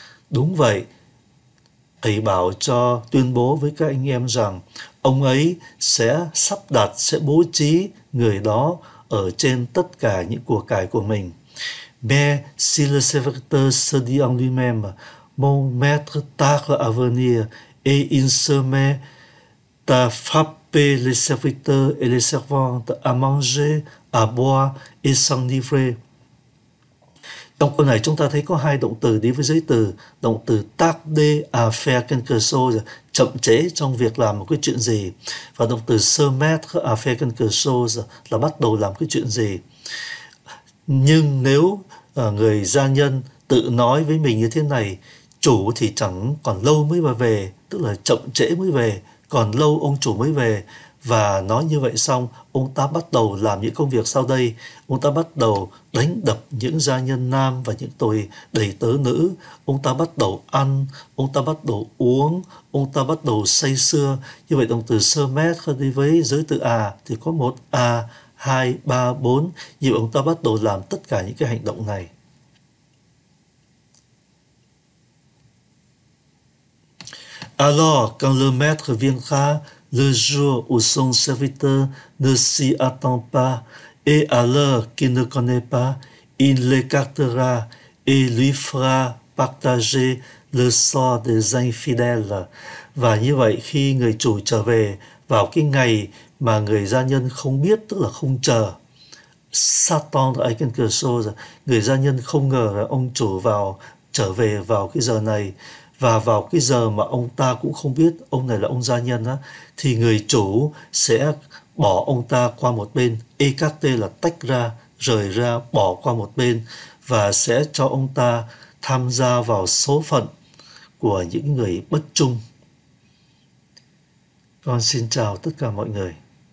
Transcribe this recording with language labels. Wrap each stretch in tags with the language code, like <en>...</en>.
<vi>Đúng vậy, thầy bảo cho, tuyên bố với các anh em rằng ông ấy sẽ sắp đặt, sẽ bố trí người đó ở trên tất cả những của cải của mình.</vi> <fr>Mais si le serviteur se dit en lui-même, mon maître tarde à venir et il se met à frapper les serviteurs et les servantes, à manger, à boire et s'enivrer.</fr> <vi>Trong câu này chúng ta thấy có hai động từ đi với giới từ. Động từ tarder à faire quelque chose, chậm trễ trong việc làm một cái chuyện gì. Và động từ se mettre à faire quelque chose là bắt đầu làm cái chuyện gì. Nhưng nếu người gia nhân tự nói với mình như thế này, chủ thì chẳng còn lâu mới mà về, tức là chậm trễ mới về, còn lâu ông chủ mới về. Và nói như vậy xong, ông ta bắt đầu làm những công việc sau đây. Ông ta bắt đầu đánh đập những gia nhân nam và những tồi đầy tớ nữ. Ông ta bắt đầu ăn, ông ta bắt đầu uống, ông ta bắt đầu say sưa. Như vậy động từ se mettre đi với giới từ à thì có một à, hai, ba, bốn. Như vậy ông ta bắt đầu làm tất cả những cái hành động này.</vi> <fr>Alors, quand le maître viendra, le jour où son serviteur ne s'y attend pas et à l'heure qu'il ne connaît pas, il l'écartera et lui fera partager le sort des infidèles.</fr> <vi>Và như vậy, khi người chủ trở về vào cái ngày mà người gia nhân không biết, tức là không chờ, s'attendre à quelque chose, người gia nhân không ngờ là ông chủ trở về vào cái giờ này, và vào cái giờ mà ông ta cũng không biết ông này là ông gia nhân á, thì người chủ sẽ bỏ ông ta qua một bên, écarté là tách ra, rời ra, bỏ qua một bên, và sẽ cho ông ta tham gia vào số phận của những người bất trung. Con xin chào tất cả mọi người.</vi>